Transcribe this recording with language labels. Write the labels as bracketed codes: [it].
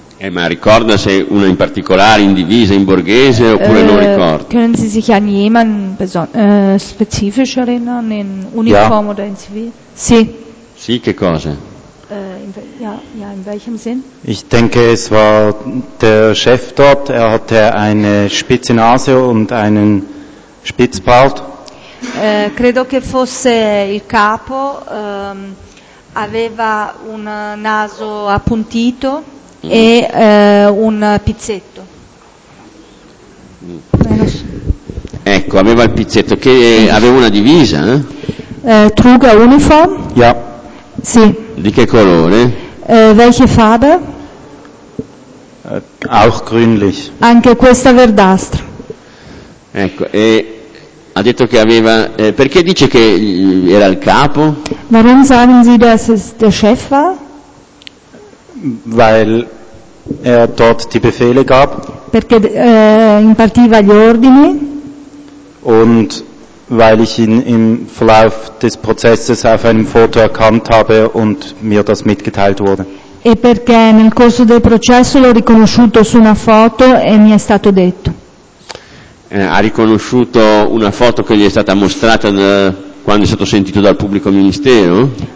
[it] Ma ricorda se una in particolare, in divisa, in borghese, oppure non ricorda? [de] Können Sie sich an jemanden spezifisch erinnern, in Uniform oder in Zivil? [it] Sì. Sì, che cosa? [de] In welchem Sinn? Ich denke, es war der Chef dort, er hatte eine spitze Nase und einen Spitzbart. [it] Credo che fosse il capo, aveva un naso appuntito e un pizzetto. Ecco, aveva il pizzetto, che aveva una divisa, [de] Truga Uniform? Ja. [it] Sì. Di che colore? [de] Welche Farbe? Auch grünlich. [it] Anche questa verdastra. Ecco, e ha detto che aveva perché dice che era il capo? [de] Warum sagen Sie, dass es der Chef war? Weil er dort die Befehle gab. [it] Perché impartiva gli ordini. [de] Und weil ich ihn im Verlauf des Prozesses auf einem Foto erkannt habe und mir das mitgeteilt wurde. [it] E perché nel corso del processo l'ho riconosciuto su una foto e mi è stato detto. Ha riconosciuto una foto che gli è stata mostrata quando è stato sentito dal pubblico ministero?